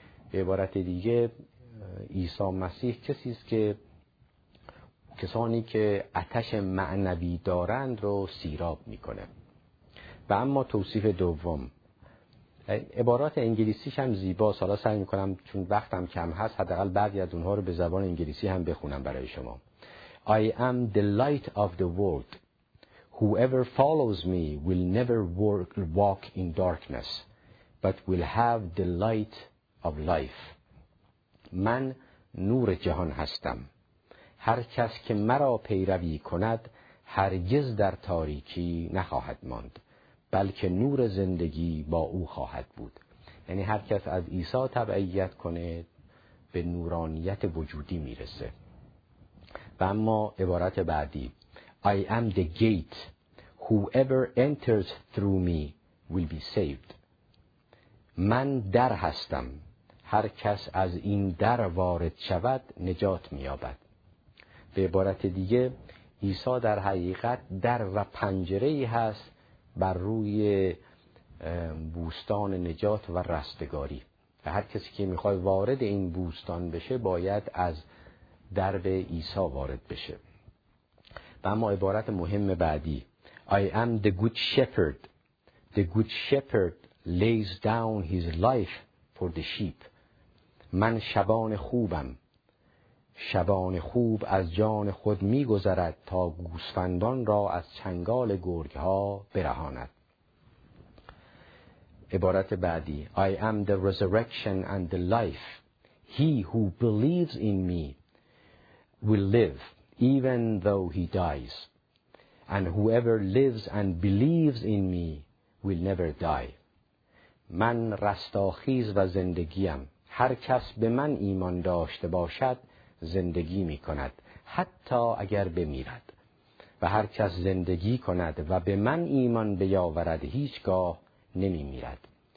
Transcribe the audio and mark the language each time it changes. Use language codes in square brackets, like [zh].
[fa] به عبارت دیگه عیسی مسیح کسی است که کسانی که آتش معنوی دارند رو سیراب میکنه. و اما توصیف دوم، عبارات انگلیسیش هم زیباست، حالا سعی میکنم چون وقتم کم هست حداقل بعضی از اونها رو به زبان انگلیسی هم بخونم برای شما. [en] I am the light of the world. Whoever follows me will never walk in darkness but will have the light of life. [fa] من نور جهان هستم، هر کس که مرا پیروی کند هرگز در تاریکی نخواهد ماند بلکه نور زندگی با او خواهد بود. یعنی هر کس از عیسی تبعیت کنه به نورانیت وجودی میرسه. و اما عبارت بعدی، [en] I am the gate. Whoever enters through me will be saved. [fa] من در هستم، هر کس از این در وارد شود نجات می‌یابد. به عبارت دیگه، عیسی در حقیقت در و پنجره‌ای هست بر روی بوستان نجات و رستگاری. و هر کسی که می‌خواد وارد این بوستان بشه باید از درب عیسی وارد بشه. و اما عبارت مهم بعدی، [en] I am the good shepherd. The good shepherd lays down his life for the sheep. [fa] من شبان خوبم، شبان خوب از جان خود می گذرد تا گوسفندان را از چنگال گرگ‌ها برهاند. عبارت بعدی، [en] I am the resurrection and the life. He who believes in me will live even though he dies. And whoever lives and believes in me will never die. [fa] من رستاخیز و زندگیم، هر کس به من ایمان داشته باشد زندگی می کند حتی اگر بمیرد و هر کس زندگی کند و به من ایمان بیاورد هیچگاه نمی میرد.